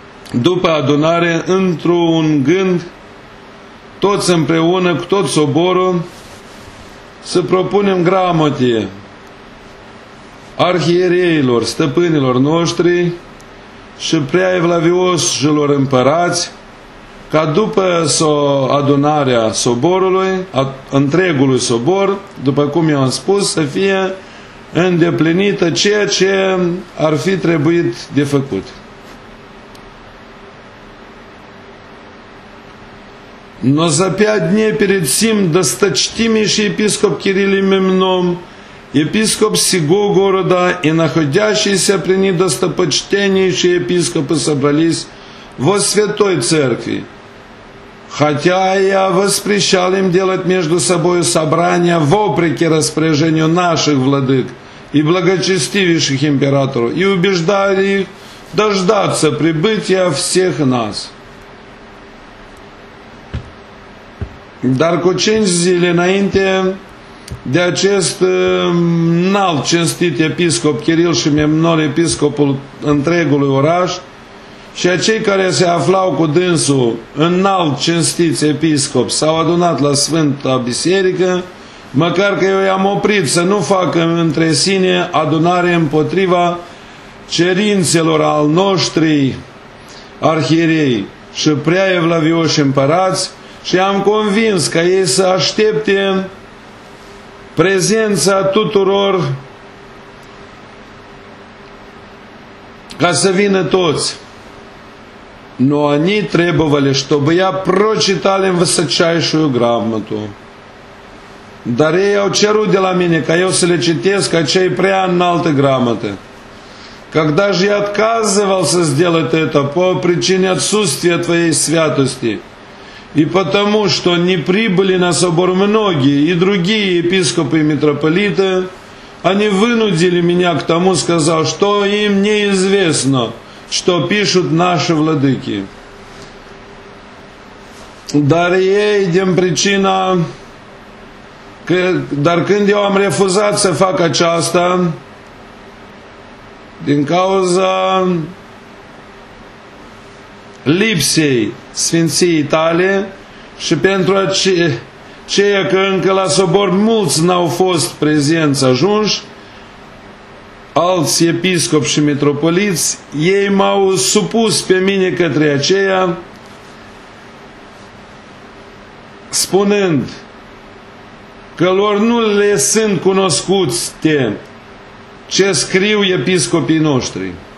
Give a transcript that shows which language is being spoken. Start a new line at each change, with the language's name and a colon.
Romanian: după adunare, într-un gând, toți împreună cu tot soborul, să propunem gramotie arhiereilor, stăpânilor noștri și prea evlavioșilor împărați, ca după adunarea soborului, întregului sobor, după cum i-am spus, să fie îndeplinită ceea ce ar fi trebuit de făcut.
Russian: Но за пять дней перед сим досточтимейший епископ Кирилл Мемном, епископ сего города и находящиеся при ней достопочтеннейшие епископы собрались во Святой Церкви. Хотя я воспрещал им делать между собой собрания вопреки распоряжению наших владык и благочестивейших императоров, и убеждали их дождаться прибытия всех нас.
Romanian: Dar cu 5 zile înainte de acest înalt cinstit episcop Kirill și Memnon, episcopul întregului oraș, și acei care se aflau cu dânsul înalt cinstiți episcop s-au adunat la Sfânta Biserică, măcar că eu i-am oprit să nu facă între sine adunare împotriva cerințelor al noștrii arhierei și prea evlavioși împărați, și am convins că ei să aștepte prezența tuturor ca să vină toți.
Russian: Но они требовали, чтобы я прочитал им высочайшую грамоту.
Romanian: Dar ei au cerut de la mine ca eu să le citesc acei prea înalte грамоты.
Russian: Когда же я отказывался сделать это по причине отсутствия твоей святости, и потому что не прибыли на собор многие и другие епископы и митрополиты, они вынудили меня к тому, сказав, что им неизвестно, что пишут наши владыки.
Romanian: Dar ei, din pricina, dar când eu am refuzat să fac aceasta, din cauza lipsei Sfinției tale și pentru aceea că încă la sobor mulți n-au fost prezenți ajunși, alți episcopi și metropoliți, ei m-au supus pe mine către aceea, spunând că lor nu le sunt cunoscute ce scriu episcopii noștri.